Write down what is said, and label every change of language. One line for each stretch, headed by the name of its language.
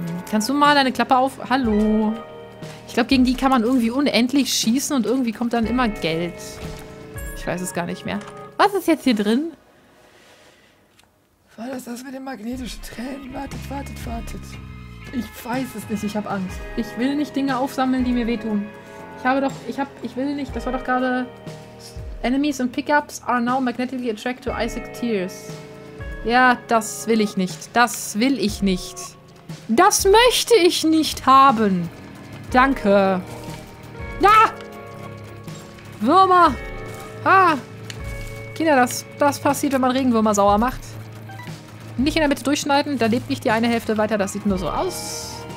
German: Kannst du mal deine Klappe auf. Hallo? Ich glaube, gegen die kann man irgendwie unendlich schießen und irgendwie kommt dann immer Geld. Ich weiß es gar nicht mehr. Was ist jetzt hier drin? War das das mit den magnetischen Tränen? Wartet. Ich weiß es nicht, ich habe Angst. Ich will nicht Dinge aufsammeln, die mir wehtun. Ich will nicht, das war doch gerade.
English: Enemies and Pickups are now magnetically attracted to Isaac Tears.
German: Ja, das will ich nicht. Das will ich nicht. Das möchte ich nicht haben. Danke. Ja! Ah! Würmer! Ah! Kinder, das passiert, wenn man Regenwürmer sauer macht. Nicht in der Mitte durchschneiden, da lebt nicht die eine Hälfte weiter, das sieht nur so aus.